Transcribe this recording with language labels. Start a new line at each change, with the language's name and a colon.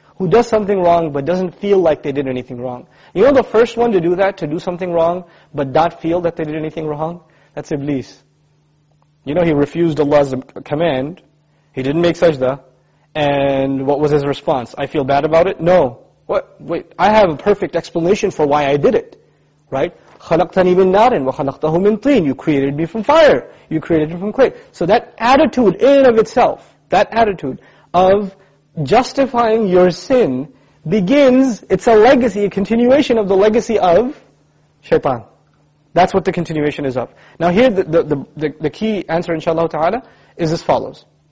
English: Who does something wrong but doesn't feel like they did anything wrong. You know the first one to do that, to do something wrong but not feel that they did anything wrong? That's Iblis. You know, he refused Allah's command, he didn't make sajda, and what was his response? I feel bad about it? No. What? Wait, I have a perfect explanation for why I did it. Right?
Arabic: خَلَقْتَنِي مِنْ نَارٍ وَخَلَقْتَهُ مِنْ طِينٍ
English: You created me from fire. You created me from clay. So that attitude in and of itself, that attitude of justifying your sin begins, it's a legacy, a continuation of the legacy of shaitan. That's what the continuation is of. Now here the key answer inshaAllah ta'ala is as follows.